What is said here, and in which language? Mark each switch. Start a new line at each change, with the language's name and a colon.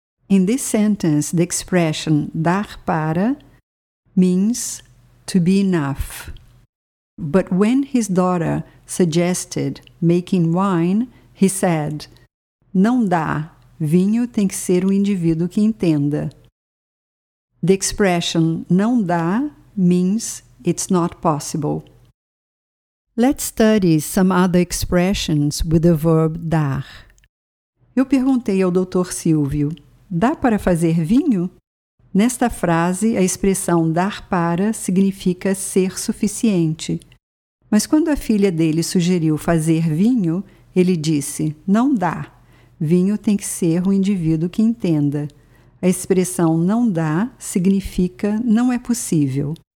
English: In this sentence, the expression dar para means to be enough. But when his daughter suggested making wine, he said,
Portuguese: Não dá. Vinho tem que ser um indivíduo que entenda.
English: The expression não dá means it's not possible. Let's study some other expressions with the verb dar.
Portuguese: Eu perguntei ao Dr. Silvio, dá para fazer vinho? Nesta frase, a expressão dar para significa ser suficiente. Mas quando a filha dele sugeriu fazer vinho, ele disse, não dá. Vinho tem que ser um indivíduo que entenda. A expressão não dá significa não é possível.